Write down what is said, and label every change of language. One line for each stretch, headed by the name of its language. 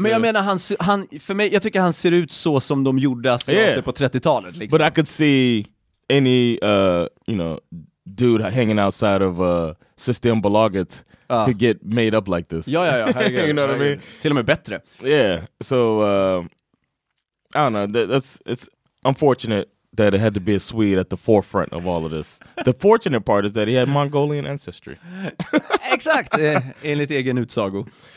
Swedish: men jag menar, han, för mig, jag tycker han ser ut så som de gjorde alltså, på 30-talet. Liksom.
English: But I could see any, dude hanging outside of System Belaget could get made up like this.
Swedish: Ja, herregud,
English: you know what I mean?
Swedish: Till och med bättre.
English: Yeah, so, I don't know. It's unfortunate that it had to be a Swede at the forefront of all of this. The fortunate part is that he had Mongolian ancestry.
Swedish: Exakt, enligt egen utsago.